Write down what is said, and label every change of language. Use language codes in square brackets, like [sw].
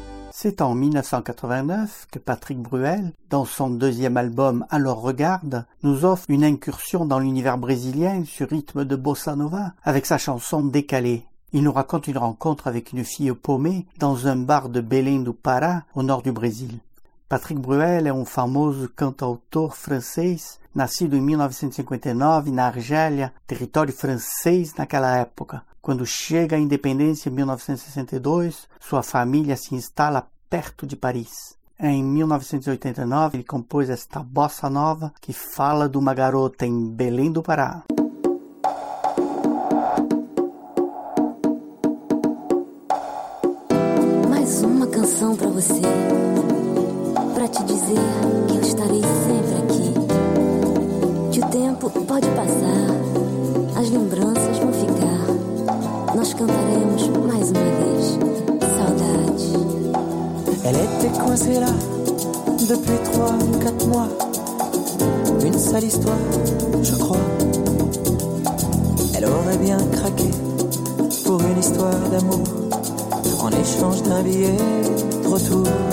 [fr] C'est en 1989 que Patrick Bruel, dans son deuxième album « Alors regarde », nous offre une incursion dans l'univers brésilien sur rythme de bossa nova avec sa chanson « Décalé ». Il nous raconte une rencontre avec une fille paumée dans un bar de Belém do Pará au nord du Brésil. [pt] Patrick Bruel [fr] est un fameux [pt] cantautor français, nascido em 1959 na Argélia, território francês naquela época. Quando chega a independência em 1962, sua família se instala perto de Paris. Em 1989, ele compôs esta bossa nova que fala de uma garota em Belém do Pará. Mais uma canção pra você, pra te dizer que eu estarei sempre aqui. Pode passar, as lembranças vão ficar. Nós cantaremos mais uma vez, saudade. [fr] Elle était coincée là, depuis trois ou quatre mois. Une sale histoire, je crois. Elle aurait bien craqué pour une histoire d'amour, en échange d'un billet de retour.